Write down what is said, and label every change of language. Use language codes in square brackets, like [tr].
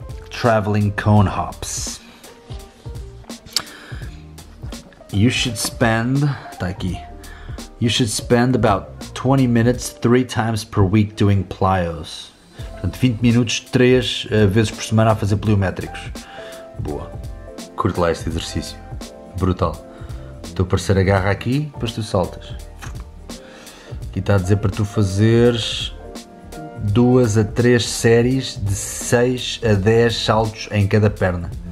[en] Traveling cone hops. You should spend, [pt] está aqui. [en] You should spend about 20 minutes 3 times per week doing plyos. [pt] Portanto, 20 minutos 3 vezes por semana a fazer pliométricos. Boa. Curto lá este exercício. Brutal. O teu parceiro agarra aqui, depois tu saltas. Aqui está a dizer para tu fazeres 2 a 3 séries de 6 a 10 saltos em cada perna.